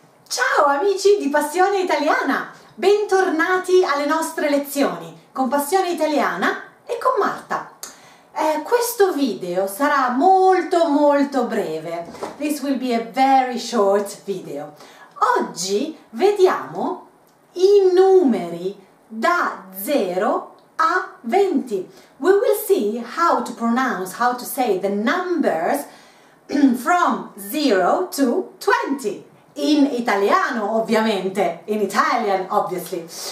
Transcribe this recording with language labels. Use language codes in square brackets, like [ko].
[it] Ciao amici di Passione Italiana, bentornati alle nostre lezioni con Passione Italiana e con Marta. Questo video sarà molto molto breve. [en] This will be a very short video. [it] Oggi vediamo i numeri da 0 a 20. [en] We will see how to pronounce, how to say the numbers from 0 to 20. [it] In italiano, ovviamente, [en] in Italian, obviously.